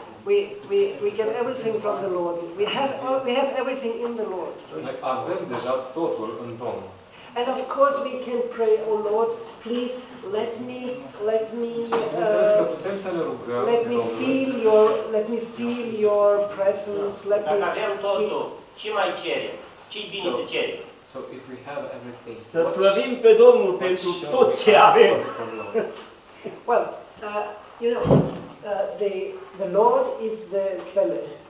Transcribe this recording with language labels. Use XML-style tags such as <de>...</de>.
<en>We get everything from the Lord. We have everything in the Lord.</en> <ro>Avem deja totul în Domnul.</ro> <en>And of course we can pray, oh Lord, please let me feel your presence, let me feel</en> <ro>totul. Ce mai cerem? Ce bine să cerem?</ro> <en>So if we have everything.</en> <ro>Să slăvim pe Domnul pentru tot ce avem.</ro> <en>Well, you know, the Lord is the pillar.</en>